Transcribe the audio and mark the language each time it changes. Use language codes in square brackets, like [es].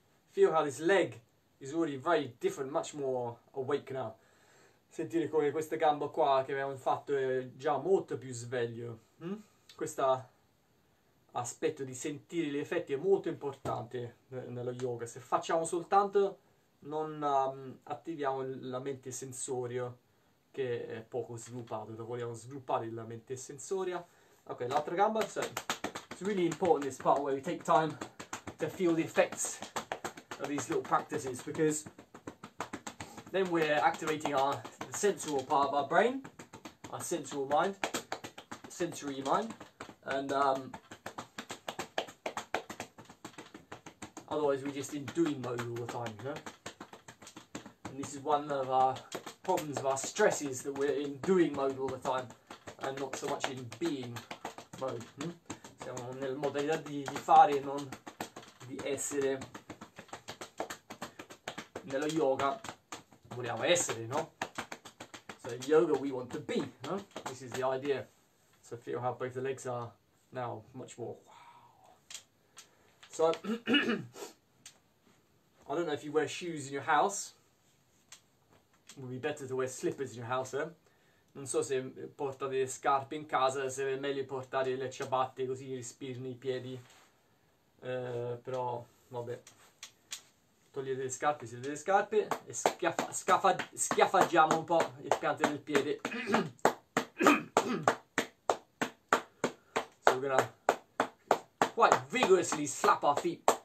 [en] Feel how this leg is already very different, much more awake now. [it] Sentire come questa gamba qua che abbiamo fatto è già molto più sveglio. Mm? Questo aspetto di sentire gli effetti è molto importante nello yoga. Se facciamo soltanto, non attiviamo la mente sensoria, che è poco sviluppata. Vogliamo sviluppare la mente sensoria. Ok, l'altra gamba. [en] So, it's really important this part where we take time to feel the effects of these little practices, because then we're activating our sensual part of our brain, our sensual mind, sensory mind, and otherwise we're just in doing mode all the time, you know? And this is one of our problems, of our stresses, that we're in doing mode all the time and not so much in being mode. Hmm? [it] Siamo nel modalità di fare e non di essere. Nello yoga vogliamo essere, no? [en] So in yoga we want to be, no? This is the idea. So feel how both the legs are now much more. Wow. So I don't know if you wear shoes in your house. It would be better to wear slippers in your house, eh? [it] Non so se portate scarpe in casa, se è meglio portare le ciabatte così respirano i piedi. Però vabbè. Togliete le scarpe, se avete le scarpe, e schiaffaggiamo un po' le piante del piede. [en] So we're gonna quite vigorously slap our feet.